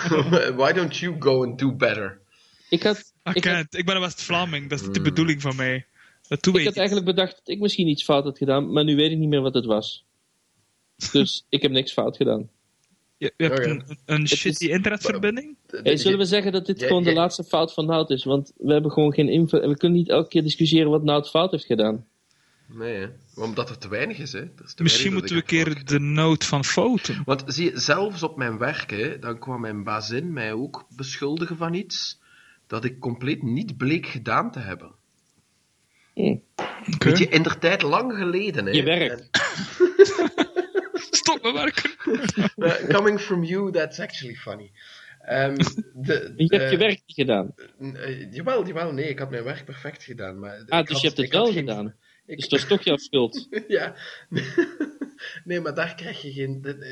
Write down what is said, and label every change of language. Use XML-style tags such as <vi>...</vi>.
<en>Why don't you go and do better?</en> <nl>Ik ben een West-Vlaming, dat is de bedoeling van mij. Ik had eigenlijk bedacht dat ik misschien iets fout had gedaan, maar nu weet ik niet meer wat het was. Dus ik heb niks fout gedaan. Je hebt een shitty internetverbinding? Zullen we zeggen dat dit gewoon de laatste fout van Nout is? Want we hebben gewoon geen info en we kunnen niet elke keer discussiëren wat Nout fout heeft gedaan. Nee, hè? Omdat er te weinig is. Hè? Is te misschien weinig moeten we een keer de Nout van fouten. Want zie je, zelfs op mijn werk, hè, dan kwam mijn bazin mij ook beschuldigen van iets dat ik compleet niet bleek gedaan te hebben. Okay. Weet je, in de tijd lang geleden, hè? Je werk. Stop met werken.</nl> <en>Coming from you, that's actually funny.</en> <nl>Je hebt je werk niet gedaan. Jawel, nee, ik had mijn werk perfect gedaan. Maar dus je hebt het wel gedaan. Dus dat is toch jouw schuld. Ja. Nee, maar daar krijg je geen...</nl>